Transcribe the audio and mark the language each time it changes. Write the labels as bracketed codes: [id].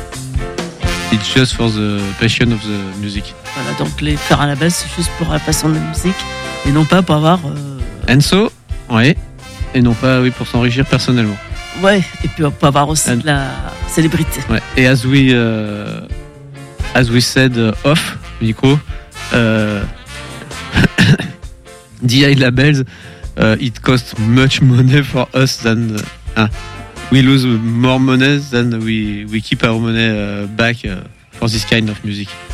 [en] This is not the way to do this. It's just for the passion of the music. [fr] Voilà, donc faire un label, c'est juste pour la passion de la musique et non pas pour avoir. Pour s'enrichir personnellement. Ouais, et puis pour avoir aussi de la célébrité. Ouais, et [en] as we said off micro, DI labels, it costs much money for us than we lose more money than we keep our money back for this kind of music.